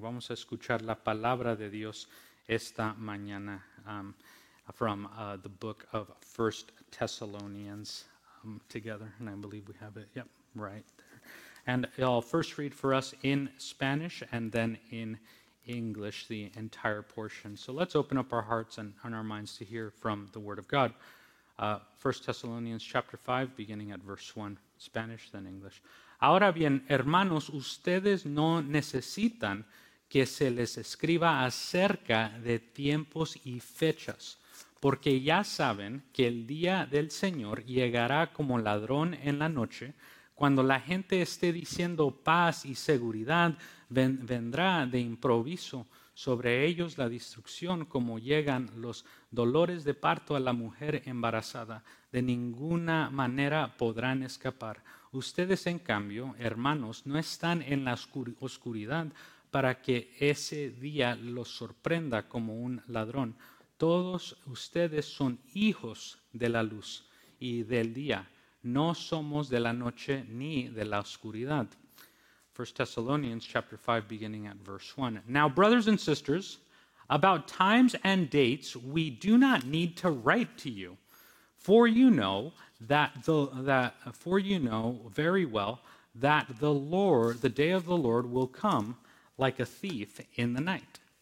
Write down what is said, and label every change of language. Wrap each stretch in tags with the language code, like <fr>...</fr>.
<es>Vamos a escuchar la palabra de Dios esta mañana</es> <en>from the book of 1 Thessalonians together. And I believe we have it. Yep, right there. And I'll first read for us in Spanish and then in English the entire portion. So let's open up our hearts and our minds to hear from the Word of God. 1 Thessalonians chapter 5, beginning at verse 1, Spanish, then English.</en> <es>Ahora bien, hermanos, ustedes no necesitan que se les escriba acerca de tiempos y fechas, porque ya saben que el día del Señor llegará como ladrón en la noche. Cuando la gente esté diciendo paz y seguridad, vendrá de improviso sobre ellos la destrucción, como llegan los dolores de parto a la mujer embarazada. De ninguna manera podrán escapar. Ustedes, en cambio, hermanos, no están en la oscuridad para que ese día los sorprenda como un ladrón. Todos ustedes son hijos de la luz y del día. No somos de la noche ni de la oscuridad.</es> <en>1 Thessalonians chapter 5, beginning at verse 1. Now, brothers and sisters, about times and dates, we do not need to write to you, for you know the day of the Lord will come like a thief in the night.</en>